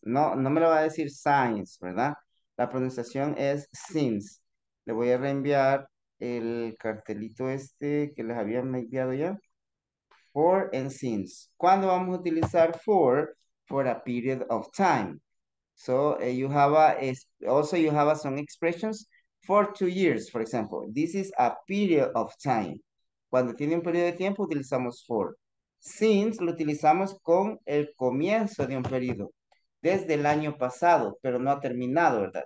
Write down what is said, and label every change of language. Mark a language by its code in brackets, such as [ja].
[es] No me lo va a decir science, ¿verdad? La pronunciación es since. Le voy a reenviar el cartelito este que les había enviado ya. [en] For and since. [es] ¿Cuándo vamos a utilizar [en] for a period of time? So you have some expressions for 2 years, for example. This is a period of time. [es] Cuando tiene un periodo de tiempo, utilizamos for. Since lo utilizamos con el comienzo de un periodo, desde el año pasado, pero no ha terminado, ¿verdad?